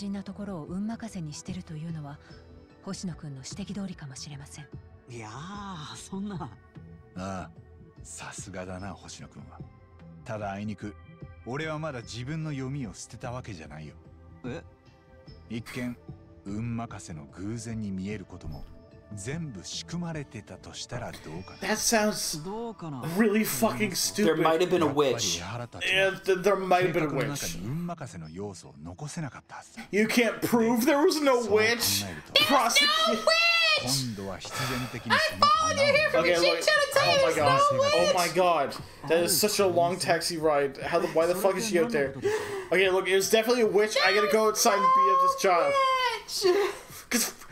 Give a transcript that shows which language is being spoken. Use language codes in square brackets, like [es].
[en] But the important thing is that he's doing it for the luck of Hoshino-kun. Yeah, that's right. [ja] さすがだな、星野君は。ただあいにく、俺はまだ自分の読みを捨てたわけじゃないよ。え?一見、運任せの偶然に見えることも、全部仕組まれてたとしたらどうかな? [en] That sounds really fucking stupid. There might have been a witch. Yeah, there might have been a witch. [ja] 運任せの要素を残せなかったはず。 [en] You can't prove there was no witch. There's no witch! I followed you here from the Shinchan to tell you there's no witch! Oh my god. That is such a long taxi ride. How the, why the fuck is she out there? Okay, look, it was definitely a witch. I gotta go outside and beat up this child.